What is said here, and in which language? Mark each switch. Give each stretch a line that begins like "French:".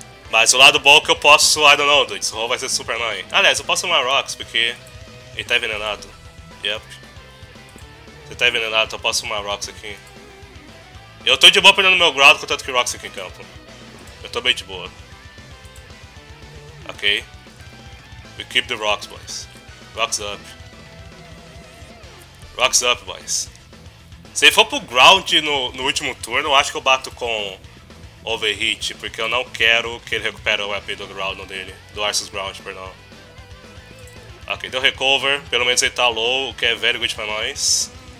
Portuguese: Mas o lado bom é que eu posso,
English: I don't know, dude,
Portuguese: Ho-Ho vai ser
English: super annoying.
Portuguese: Aliás, eu posso tomar Rocks, porque ele tá envenenado. Yup. Ele tá envenenado, então eu posso tomar Rocks aqui. Eu tô de boa perdendo meu Groud, contanto que Rocks aqui em campo. Eu tô bem de boa.
English: Ok, we keep the rocks, boys. Rocks up. Rocks up, boys.
Portuguese: Se for pro ground no último turno, eu acho que eu bato com overheat, porque eu não quero que ele recupere o AP do ground dele, do Arceus ground, perdão. Ok, deu recover, pelo menos ele tá low, o que é
English: very good
Portuguese: pra nós.